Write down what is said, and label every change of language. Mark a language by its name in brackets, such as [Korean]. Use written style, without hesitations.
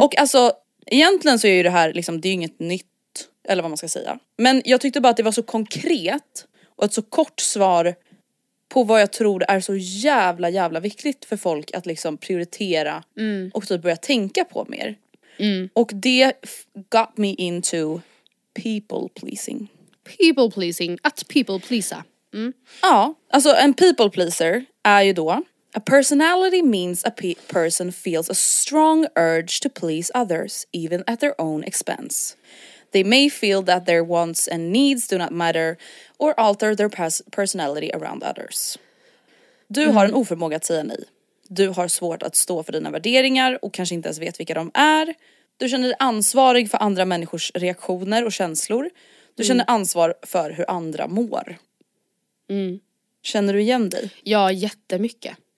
[Swedish] Och alltså, egentligen så är ju det här liksom, det är ju inget nytt, eller vad man ska säga. Men jag tyckte bara att det var så konkret och ett så kort svar på vad jag tror är så jävla, jävla viktigt för folk att liksom prioritera och typ börja tänka på mer. Mm. Och det [English] got me into people pleasing. [Swedish] People pleasing, att people pleasa. Ja, alltså en people pleaser är ju då: [English] a personality means a person feels a strong urge to please others, even at their own expense. They may feel that their wants and needs do not matter or alter their personality around others. [Swedish] Du har en oförmåga att säga nej. Du har svårt att stå för dina värderingar och kanske inte ens vet vilka de är. Du känner dig ansvarig för andra människors reaktioner och känslor. Du känner ansvar för hur andra mår. Mm. Känner du igen dig? Ja, jättemycket.